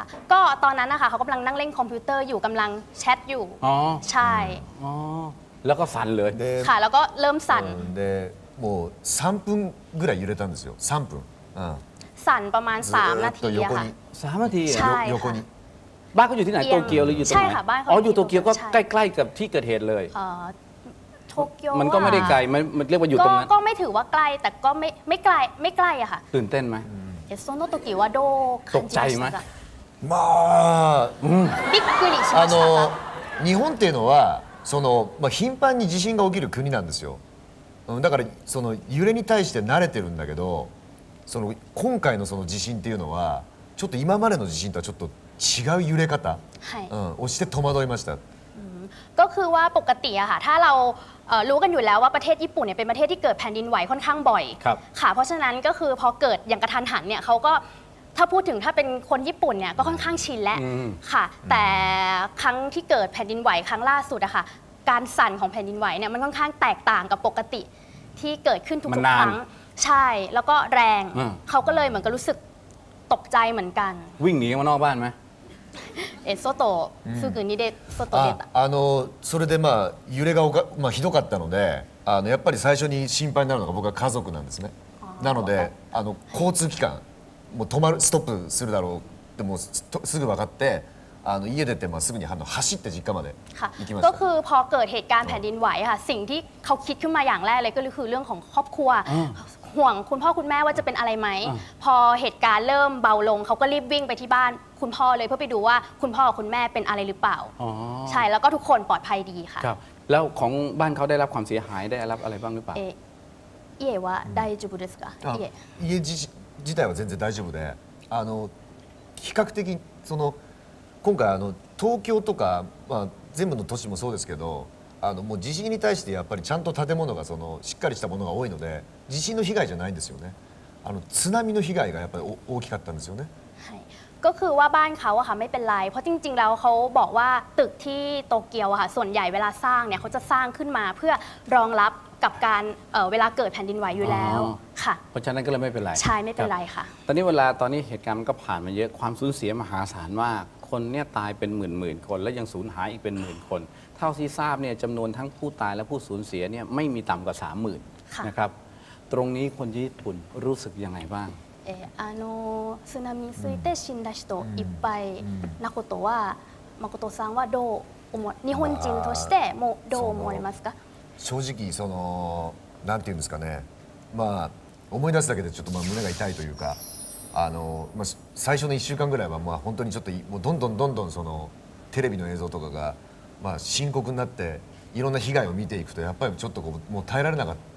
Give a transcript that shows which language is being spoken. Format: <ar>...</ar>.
<th>ก็ตอนนั้นนะคะเขากำลังนั่งเล่นคอมพิวเตอร์อยู่กำลังแชทอยู่อ๋อ ใช่ อ๋ อแล้วก็สั่นเลย ค่ะแล้วก็เริ่มสั่น</th> <ja>でもう3分ぐらい揺れたんですよ3分</ja> <th>สั่นประมาณ3นาทีค่ะ 3นาที ใช่</th> <ja>横に</ja> <th>บ้านเขาอยู่ที่ไหนโตเกียวหรืออยู่ตรงไหน ใช่ค่ะบ้านเขา อ๋ออยู่โตเกียวก็ใกล้ๆกับที่เกิดเหตุเลย โท โตเกียว มันก็ไม่ได้ไกลมันเรียกว่าอยู่ตรงนั้น ก็ไม่ถือว่าไกลแต่ก็ไม่ไกลไม่ไกลอะค่ะ ตื่นเต้นไหม เอสโซโนโตเกียวโด ตกใจไหม มา</th> <ja>びっくりしました日本っていうのはその、まあ、頻繁に地震が起きる国なんですよ。だからその揺れに対して慣れてるんだけど、その今回のその地震っていうのはちょっと今までの地震とはちょっと違う揺れ方、はい、をして戸惑いました。</ja> <th>ก็คือว่าปกติอะค่ะถ้าเรารู้กันอยู่แล้วว่าประเทศญี่ปุ่นเนี่ยเป็นประเทศที่เกิดแผ่นดินไหวค่อนข้างบ่อย ครับ ค่ะเพราะฉะนั้นก็คือพอเกิดอย่างกระทันหันเนี่ยเขาก็ถ้าพูดถึงถ้าเป็นคนญี่ปุ่นเนี่ยก็ค่อนข้างชินแล้วค่ะแต่ครั้งที่เกิดแผ่นดินไหวครั้งล่าสุดอะค่ะการสั่นของแผ่นดินไหวเนี่ยมันค่อนข้างแตกต่างกับปกติที่เกิดขึ้นทุกครั้งใช่แล้วก็แรงเขาก็เลยเหมือนกับรู้สึกตกใจเหมือนกัน วิ่งหนีมานอกบ้านไหม เอโซโตสึกุนิเดโซโตเดต</th> <ja>それでまあ揺れがおかまあひどかったのでやっぱり最初に心配になるのが僕は家族なんですねなので交通機関もう止まるストップするだろうでもうすぐ分かって家出てまあすぐに走って実家まで行きました。</ja> <th>ก็คือพอเกิดเหตุการณ์แผ่นดินไหวค่ะสิ่งที่เขาคิดขึ้นมาอย่างแรกเลยก็คือเรื่องของครอบครัวห่วงคุณพ่อคุณแม่ว่าจะเป็นอะไรไหมพอเหตุการณ์เริ่มเบาลงเขาก็รีบวิ่งไปที่บ้านคุณพ่อเลยเพื่อไปดูว่าคุณพ่อกับคุณแม่เป็นอะไรหรือเปล่าใช่แล้วก็ทุกคนปลอดภัยดีค่ะ ครับแล้วของบ้านเขาได้รับความเสียหายได้รับอะไรบ้างหรือเปล่า</th> <ja>เอ家は大丈夫ですか家自体は全然大丈夫で比較的その今回東京とか、まあ、全部の都市もそうですけどもう地震に対してやっぱりちゃんと建物がそのしっかりしたものが多いので地震の被害じゃないんですよね津波の被害がやっぱり大きかったんですよね</ja> <th>ก็คือว่าบ้านเขาอะค่ะไม่เป็นไรเพราะจริงๆแล้วเขาบอกว่าตึกที่โตเกียวอะค่ะส่วนใหญ่เวลาสร้างเนี่ยเขาจะสร้างขึ้นมาเพื่อรองรับกับการเวลาเกิดแผ่นดินไหวอยู่แล้วค่ะ เพราะฉะนั้นก็เลยไม่เป็นไร ใช่ไม่เป็นไรค่ะ ตอนนี้เวลาตอนนี้เหตุการณ์มันก็ผ่านมาเยอะความสูญเสียมหาศาลมากคนเนี่ยตายเป็นหมื่นๆคนและยังสูญหายอีกเป็นหมื่นคนเท่าที่ทราบเนี่ยจำนวนทั้งผู้ตายและผู้สูญเสียเนี่ยไม่มีต่ำกว่า 30,000 นะครับตรงนี้คนญี่ปุ่นรู้สึกยังไงบ้าง</th> <ja>สึนามิについて死んだ人いっぱいなことは誠さんはどう思う日本人としてもうどう思いますか正直そのなんていうんですかねまあ思い出すだけでちょっとまあ胸が痛いというかまあ最初の1週間ぐらいはまあ本当にちょっともうどんどんそのテレビの映像とかがまあ深刻になっていろんな被害を見ていくとやっぱりちょっとこうもう耐えられなかっ</ja>